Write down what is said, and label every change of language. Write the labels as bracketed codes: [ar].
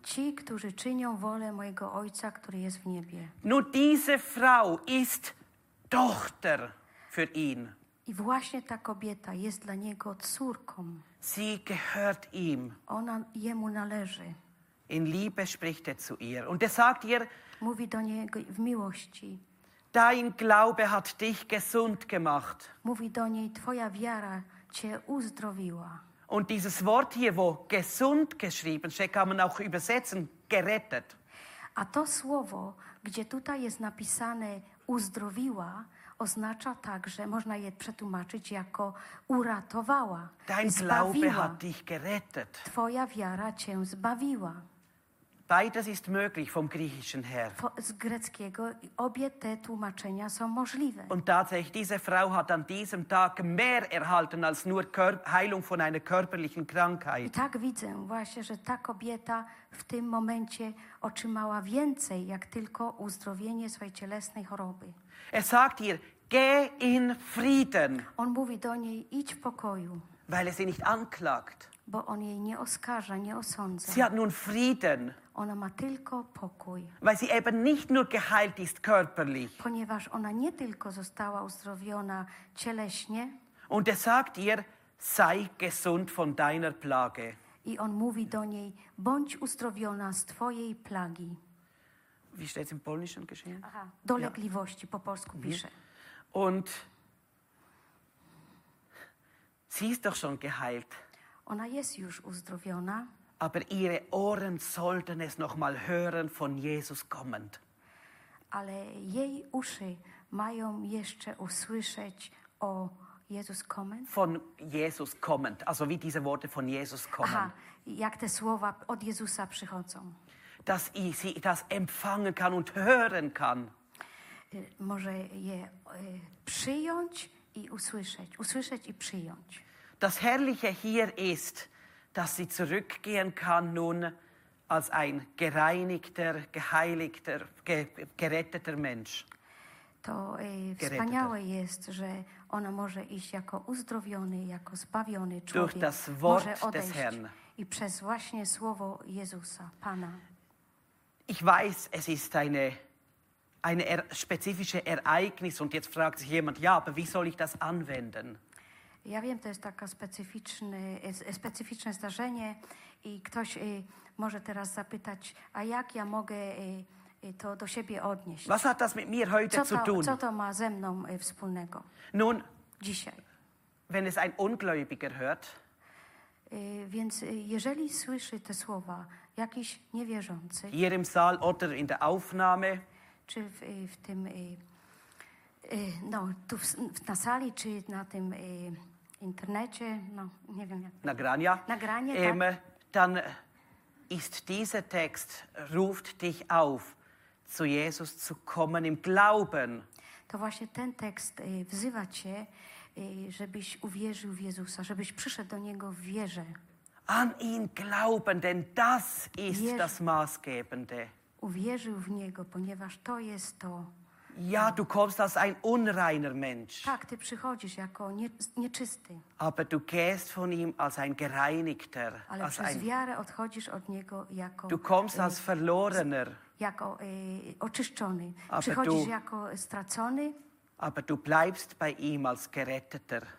[pl] Ci, którzy czynią wolę mojego Ojca, który jest w niebie. [de] Nun, diese Frau ist Tochter für ihn. [pl] I właśnie ta kobieta jest dla niego córką. [de] Sie gehört ihm. [pl] Ona jemu należy. [de] In Liebe spricht zu ihr. Und sagt ihr, [pl] mówi do niego w miłości. [de] Dein Glaube hat dich gesund gemacht. [pl] Mówi do niej, twoja wiara cię uzdrowiła. [de] Und dieses Wort hier, wo gesund geschrieben steht, kann man auch übersetzen, gerettet. [pl] A to słowo, gdzie tutaj jest napisane uzdrowiła, oznacza także, można je przetłumaczyć jako uratowała, [de] dein [pl] zbawiła. [de] Glaube hat dich gerettet. [pl] Twoja wiara cię zbawiła. [de] Beides ist möglich vom griechischen her. [pl] Z greckiego obie te tłumaczenia są możliwe. [de] Und tatsächlich, diese Frau hat an diesem Tag mehr erhalten als nur Heilung von einer körperlichen Krankheit. [pl] I tak widzę właśnie, że ta kobieta w tym momencie otrzymała więcej, jak tylko uzdrowienie swojej cielesnej choroby. [de] Er sagt ihr, geh in Frieden. [pl] On mówi do niej, idź w pokoju. [de] Weil er sie nicht anklagt. [pl] Bo on jej nie oskarża, nie osądza. [de] Sie hat nun Frieden. [pl] Ona ma tylko pokój. [de] Weil sie eben nicht nur geheilt ist körperlich. [pl] Ponieważ ona nie tylko została uzdrowiona cieleśnie. [de] Und sagt ihr, sei gesund von deiner Plage. [pl] I on mówi do niej, bądź uzdrowiona z twojej plagi. [de] Wie steht es im polnischen geschrieben? [pl] Dolegliwości, ja. Po polsku pisze. [de] Und sie ist doch schon geheilt. [pl] Ona jest już uzdrowiona. [de] Aber ihre Ohren sollten es noch mal hören von Jesus kommend. [pl] Ale jej uszy mają jeszcze usłyszeć o [de] Jesus kommend. Von Jesus kommend, also wie diese Worte von Jesus kommen. [pl] Jak te słowa od Jezusa przychodzą. Dass sie das empfangen kann und hören kann. Może je przyjąć i usłyszeć. Usłyszeć i przyjąć. [de] Das Herrliche hier ist, dass sie zurückgehen kann nun als ein gereinigter, geheiligter, geretteter Mensch. [pl] To wspaniałe jest, że ona może iść jako uzdrowiony, jako zbawiony człowiek. [de] Durch das Wort des Herrn. [pl] I przez właśnie słowo Jezusa, Pana. [de] Ich weiß, es ist eine spezifische Ereignis und jetzt fragt sich jemand, ja, aber wie soll ich das anwenden? [pl] Ja wiem, to jest taka specyficzne zdarzenie i ktoś może teraz zapytać, a jak ja mogę to do siebie odnieść? [de] Was hat das mit mir heute zu tun? [pl] Co to ma ze mną wspólnego? [de] Nun, [pl] dzisiaj. [de] Wenn es ein Ungläubiger hört. [pl] Więc jeżeli słyszy te słowa jakiś niewierzący. [de] Hier im Saal oder in der Aufnahme. [pl] Czy w tym no, tu na sali, czy na tym internecie, no, nie wiem jak. Nagrania. Nagranie, tak. [de] Dann ist dieser Text, ruft dich auf, zu Jesus zu kommen im Glauben. [pl] To właśnie ten tekst wzywa cię, żebyś uwierzył w Jezusa, żebyś przyszedł do Niego w wierze. [de] An ihn glauben, denn das ist das Maßgebende. [pl] Uwierzył w Niego, ponieważ to jest to. [de] Ja, du kommst als ein unreiner Mensch. [pl] Tak, ty przychodzisz jako nieczysty. [de] Aber du gehst von ihm als ein gereinigter. [pl] Ale [de] als [pl] przez wiarę odchodzisz od niego jako. [de] Du kommst als verlorener. [pl] Jako oczyszczony. [de] Aber [pl] przychodzisz jako stracony. [de] Aber du bleibst bei ihm als geretteter.